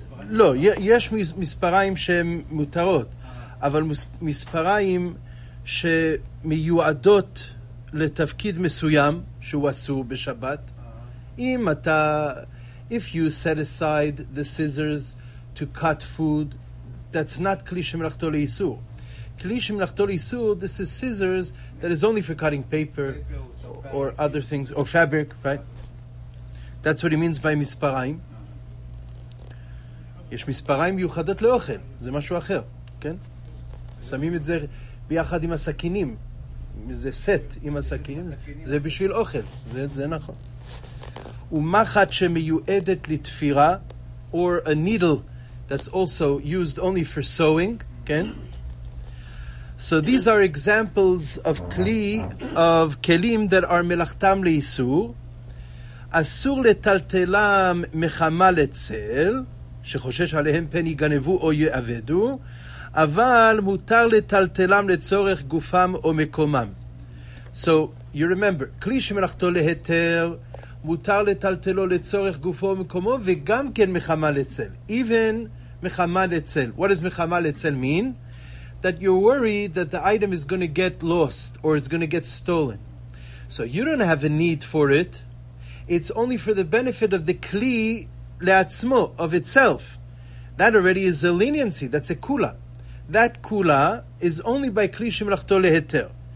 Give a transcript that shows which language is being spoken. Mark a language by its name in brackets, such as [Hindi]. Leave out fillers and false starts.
[Hebrew] לא, יש מספריים שהם מותרות, אבל מספריים שמיועדות לתפקיד מסוים שהוא אסור בשבת. אם אתה, [English] if you set aside the scissors to cut food, that's not כלי שמלאכתו לאיסור. כלי שמלאכתו לאיסור, this is scissors that is only for cutting paper or other things, or fabric, right? That's what he means by מספריים. [Hebrew] יש מספריים מיוחדות לאוכל, זה משהו אחר, כן? שמים את זה ביחד עם הסכינים, זה סט עם הסכינים, זה בשביל אוכל, זה נכון. ומחת שמיועדת לתפירה, [English] or a needle that's also used only for sewing, [Hebrew] כן? [English] So these are examples of כלי, of כלים that are מלאכתם לאיסור. [Hebrew] אסור לטלטלם מחמה לצל, שחושש עליהם פן יגנבו או יעבדו, אבל מותר לטלטלם לצורך גופם או מקומם. [English] So, you remember, [Hebrew] כלי שמלאכתו להיתר, מותר לטלטלו לצורך גופו או מקומו, וגם כן מחמה לצל. [English] Even מחמה לצל. What does מחמה לצל mean? That you're worried that the item is going to get lost, or it's going to get stolen. So you don't have a need for it. It's only for the benefit of the כלי, לעצמו, of itself. That already is a leniency. That's a kula. That kula is only by כלי שמלאכתו להיתר.